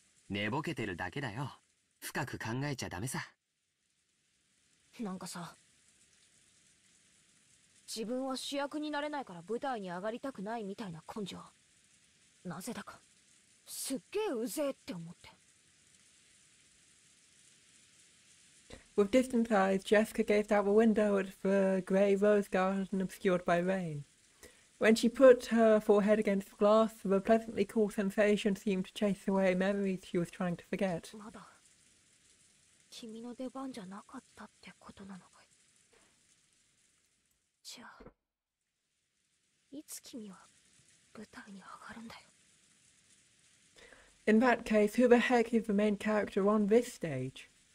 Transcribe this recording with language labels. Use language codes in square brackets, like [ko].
[ja] 寝ぼけてるだけだよ。深く考えちゃダメさ。なんかさ、自分は主役になれないから舞台に上がりたくないみたいな根性、なぜだかすっげえうぜえって思って。 [en] With distant eyes, Jessica gazed out the window at the grey rose garden obscured by rain. When she put her forehead against the glass, the pleasantly cool sensation seemed to chase away memories she was trying to forget. [ja] まだ君の出番じゃなかったってことなのか。じゃあ、いつ君は舞台に上がるんだよ。 [en] In that case, who the heck is the main character on this stage?